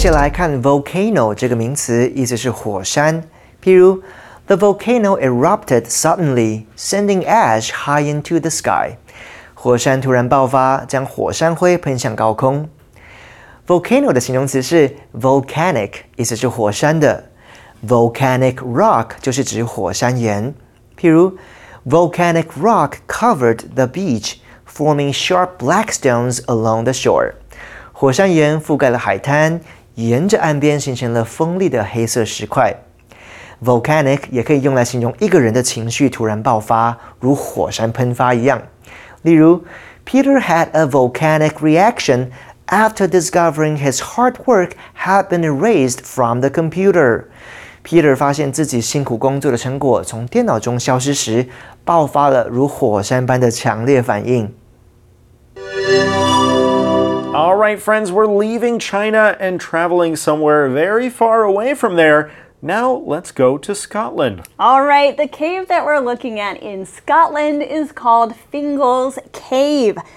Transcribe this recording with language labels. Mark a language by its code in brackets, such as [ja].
[en] Volcano [zh] 这个名词意思是火山，譬如 [en] The volcano erupted suddenly, sending ash high into the sky. [zh] 火山突然爆发，将火山灰喷向高空。 Volcano 的形容词是 volcanic, 意思是火山的。 Volcanic rock 就是指火山岩。譬如 [en] Volcanic rock covered the beach, forming sharp black stones along the shore. [zh] 火山岩覆盖了海滩，沿着岸边形成了锋利的黑色石块。 Volcanic 也可以用来形容一个人的情绪突然爆发，如火山喷发一样。例如 [en] Peter had a volcanic reaction after discovering his hard work had been erased from the computer. [zh] Peter 发现自己辛苦工作的成果从电脑中消失时，爆发了如火山般的强烈反应。 [en] All right, friends, we're leaving China and traveling somewhere very far away from there. Now let's go to Scotland. All right, the cave that we're looking at in Scotland is called Fingal's Cave.